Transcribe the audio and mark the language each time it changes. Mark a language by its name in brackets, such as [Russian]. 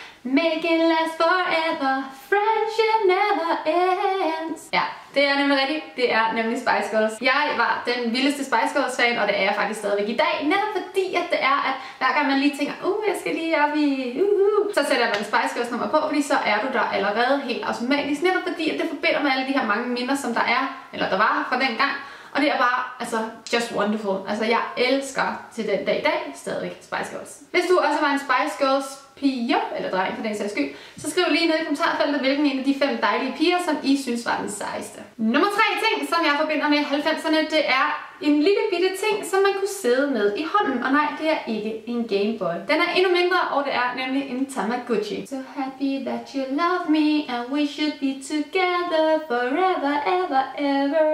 [English] Make it last forever, friendship never ends. [Danish] Ja, det er nemlig rigtigt. Det er nemlig Spice Girls. Jeg var den vildeste Spice Girls fan, og det er jeg faktisk stadigvæk i dag. Netop fordi, at det er, at hver gang man lige tænker, jeg skal lige op i, så sætter man Spice Girls nummer på, fordi så er du der allerede helt automatisk. Netop fordi, at det forbinder med alle de her mange minder, som der er, eller der var fra den gang. Og det er bare, altså, [English] just wonderful. [Danish] Altså, jeg elsker til den dag i dag stadigvæk Spice Girls. Hvis du også var en Spice Girls pige, eller dreng for den sags skyld, så skriv lige ned i kommentarfeltet, hvilken en af de fem dejlige piger, som I synes var den sejeste. Nummer tre ting, som jeg forbinder med 90'erne, det er en lille bitte ting, som man kunne sidde med i hånden. Og nej, det er ikke en Game Boy. Den er endnu mindre, og det er nemlig en Tamagotchi. [English] So happy that you love me, and we should be together forever, ever, ever.